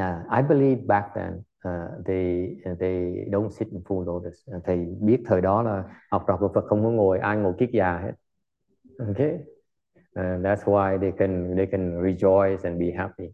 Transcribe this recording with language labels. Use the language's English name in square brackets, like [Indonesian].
[English] I believe back then they don't sit in full lotus. [Vietnamese] Thầy biết thời đó là học trò của Phật không có ngồi, ai ngồi kiết già hết. [English] Okay, and that's why they can rejoice and be happy.